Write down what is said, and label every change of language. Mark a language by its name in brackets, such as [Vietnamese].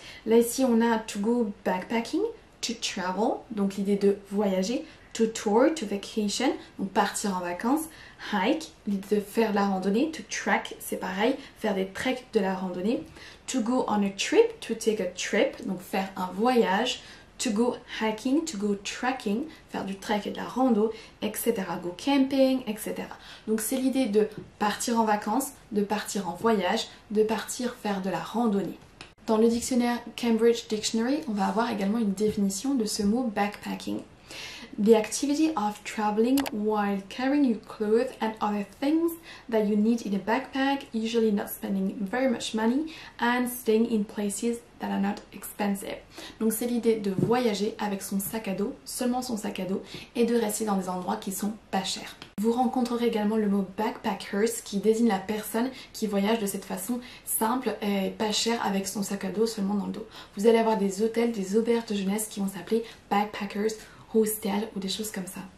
[French] Là ici, on a [English] to go backpacking, to travel, [French] donc l'idée de voyager, to tour, to vacation, donc partir en vacances, hike, l'idée de faire de la randonnée, to trek, c'est pareil, faire des treks de la randonnée, [English] to go on a trip, [French] to take a trip, donc faire un voyage, to go hiking, to go trekking, faire du trek et de la rando, etc. Go camping, etc. Donc c'est l'idée de partir en vacances, de partir en voyage, de partir faire de la randonnée. Dans le dictionnaire Cambridge Dictionary, on va avoir également une définition de ce mot backpacking. [English] The activity of traveling while carrying your clothes and other things that you need in a backpack, usually not spending very much money and staying in places that are not expensive. [French] Donc c'est l'idée de voyager avec son sac à dos, seulement son sac à dos, et de rester dans des endroits qui sont pas chers. Vous rencontrerez également le mot backpackers qui désigne la personne qui voyage de cette façon simple et pas chère avec son sac à dos seulement dans le dos. Vous allez avoir des hôtels, des auberges de jeunesse qui vont s'appeler backpackers, hostel ou des choses comme ça.